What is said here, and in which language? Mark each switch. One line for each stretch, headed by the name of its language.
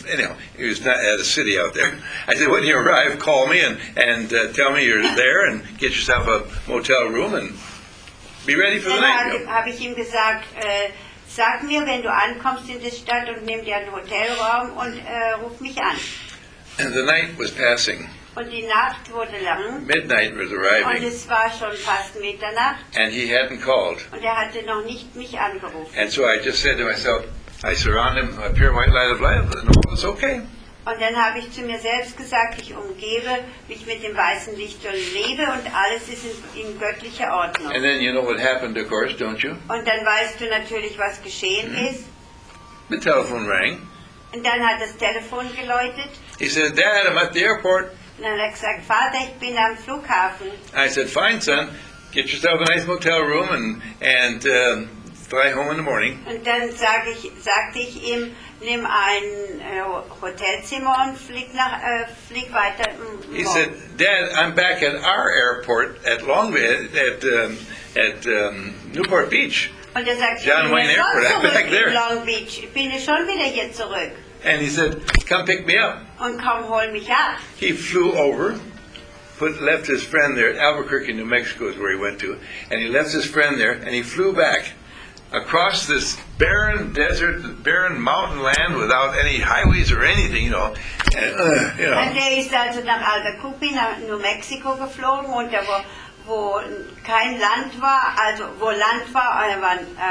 English: Anyhow, he was not at a city out there. I said, when you arrive, call me and tell me you're there and get yourself a motel room and be ready for
German: dann
English: the night.
German: Habe ich ihm gesagt, sag mir, wenn du ankommst in die Stadt und nimm dir einen Hotelraum und ruf mich an.
English: And the night was passing.
German: Und die Nacht wurde lang.
English: Midnight was arriving.
German: Und es war schon fast Mitternacht.
English: And he hadn't called.
German: Und hatte noch nicht mich angerufen.
English: And so I just said to myself, I surround him with a pure white light of life, and all is okay.
German: Und dann habe ich zu mir selbst gesagt, ich umgebe mich mit dem weißen Licht und lebe und alles ist in göttlicher Ordnung.
English: And then you know what happened, of course, don't you?
German: Und dann weißt du natürlich, was geschehen ist.
English: The telephone rang.
German: Und dann hat das Telefon geläutet.
English: He said, Dad, I'm at the airport.
German: Und dann hat er gesagt, Vater, ich bin am Flughafen.
English: I said, fine, son, get yourself a nice motel room and fly home in the morning.
German: Und dann sagte ich ihm, nimm ein Hotelzimmer und flieg weiter.
English: He said, Dad, I'm back at our airport at Long Beach, at Newport Beach.
German: Und er sagte, John Wayne Airport,
English: I'm back there.
German: Long Beach. Ich bin schon wieder hier zurück.
English: And he said, come pick me up.
German: Und komm, hol mich ab.
English: He flew over, left his friend there, Albuquerque, New Mexico is where he went to, and he left his friend there, and he flew back across this barren desert, barren mountain land without any highways or anything, you know.
German: Und er ist also nach Albuquerque, New Mexico geflogen, und da wo kein Land war, also wo Land war, waren